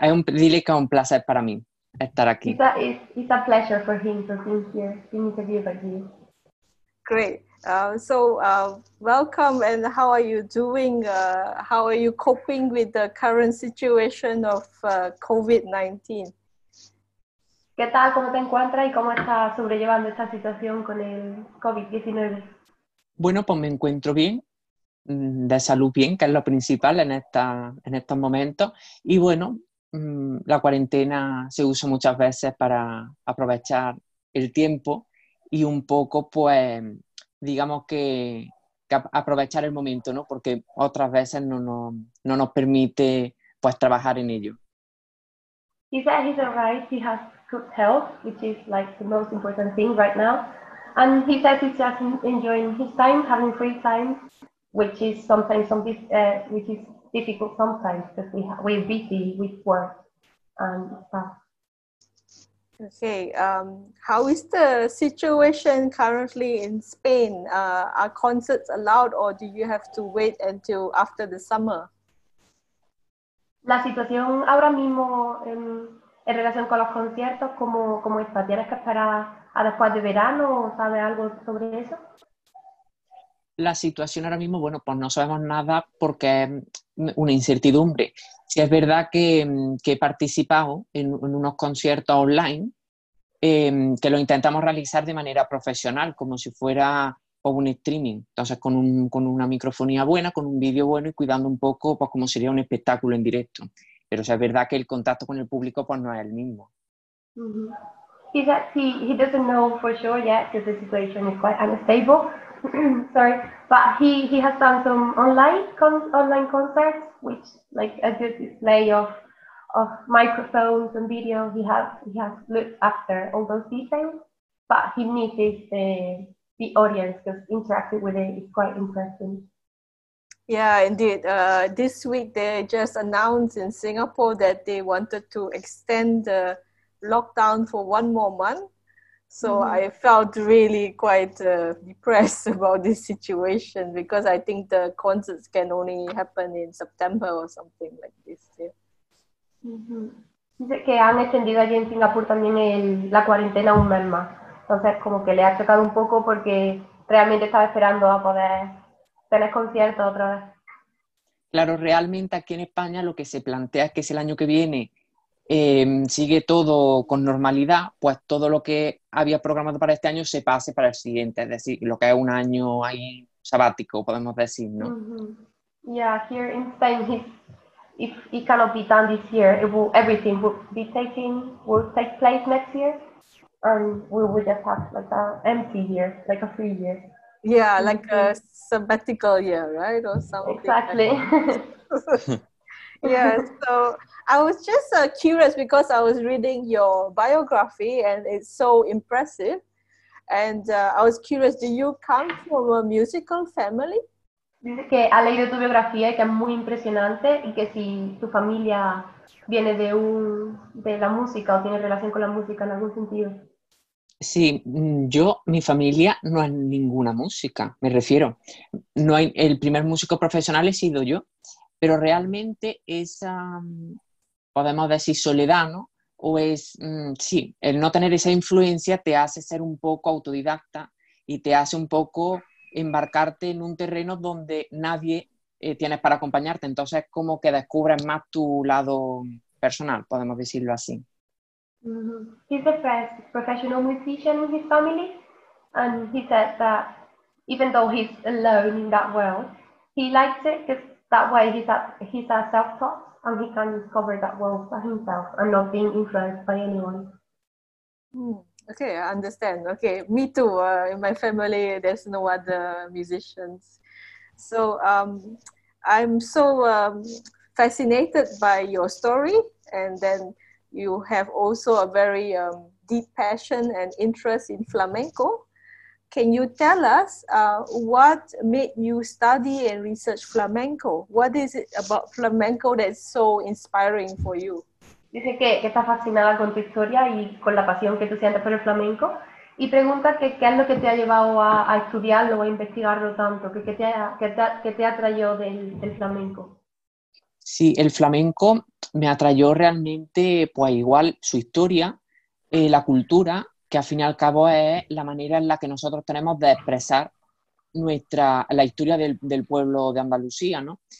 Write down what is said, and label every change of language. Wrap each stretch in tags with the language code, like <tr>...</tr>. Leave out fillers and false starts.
<es>Dile que es un placer para mí estar aquí.</es> <en>It's a pleasure for him to be here, to interview with you. Great. Welcome, and how are you doing? How are you coping with the current situation of COVID-19?</en> <es>¿Qué tal? ¿Cómo te encuentras y cómo estás sobrellevando esta situación con el COVID-19? Bueno, pues me encuentro bien. De salud bien, que es lo principal en estos momentos. Y bueno, la cuarentena se usa muchas veces para aprovechar el tiempo y un poco, pues, digamos que aprovechar el momento, ¿no? Porque otras veces no nos permite, pues, trabajar en ello.</es> <en>He said he's alright, he has good health, which is like the most important thing right now. And he says he's just enjoying his time, having free time. Which is sometimes which is difficult sometimes because we're busy with work and stuff. Okay. How is the situation currently in Spain? Are concerts allowed, or do you have to wait until after the summer?</en> <es>La situación ahora mismo en relación con los conciertos, cómo está. ¿Tienes que esperar a después de verano? ¿Sabes algo sobre eso? La situación ahora mismo, bueno, pues no sabemos nada porque es una incertidumbre. Si es verdad que he participado en unos conciertos online, que lo intentamos realizar de manera profesional, como si fuera un streaming. Entonces, con una microfonía buena, con un vídeo bueno y cuidando un poco, pues como sería un espectáculo en directo. Pero si es verdad que el contacto con el público, pues no es el mismo. Mm-hmm.</es> <en>He doesn't know for sure yet because the situation is quite unstable. Sorry, but he has done some online concerts, which like a good display of microphones and video. He has looked after all those details, but he misses the audience because interacting with it is quite interesting. Yeah, indeed. This week they just announced in Singapore that they wanted to extend the lockdown for one more month. So mm-hmm. I felt really quite depressed about this situation because I think the concerts can only happen in September or something like this. Yeah. Mm-hmm.</en> <es>Dice que han extendido allí en Singapur también la cuarentena un mes más. Entonces como que le ha chocado un poco porque realmente estaba esperando a poder tener conciertos otra vez. Claro, realmente aquí en España lo que se plantea es que si el año que viene sigue todo con normalidad, pues todo lo que había programado para este año se pase para el siguiente, es decir, lo que es un año ahí sabático, podemos decir, ¿no?</es> <en>Mm-hmm. Yeah, here in Spain, if it cannot be done this year, everything will take place next year, and we will just have like a empty year, like a free year. Yeah, like a sabbatical year, right? Or something. Exactly. Yeah, so I was just curious because I was reading your biography and it's so impressive. And I was curious, do you come from a musical family?</en> <es>Dice que ha leído tu biografía y que es muy impresionante y que si tu familia viene de la música o tiene relación con la música en algún sentido. Sí, yo, mi familia no es ninguna música, me refiero. No hay, el primer músico profesional he sido yo, pero realmente esa, podemos decir, soledad, ¿no? O es, sí, el no tener esa influencia te hace ser un poco autodidacta y te hace un poco embarcarte en un terreno donde nadie tienes para acompañarte. Entonces es como que descubres más tu lado personal, podemos decirlo así. Mm-hmm.</es> <en>He's the first professional musician in his family, and he said that even though he's alone in that world, he likes it because that way he's a self-taught and he can discover that world by himself and not being influenced by anyone. Okay, I understand. Okay, me too. In my family, there's no other musicians. So I'm so fascinated by your story, and then you have also a very deep passion and interest in flamenco. Can you tell us what made you study and research flamenco? What is it about flamenco that's so inspiring for you?</en> <es>Dice que está fascinada con tu historia y con la pasión que tú sientes por el flamenco y pregunta que qué es lo que te ha llevado a estudiarlo o a investigarlo tanto, que te atrayó del flamenco. Sí, el flamenco me atrayó realmente, pues igual, su historia, la cultura, que al fin y al cabo es la manera en la que nosotros tenemos de expresar la historia del pueblo de Andalucía, ¿no?</es>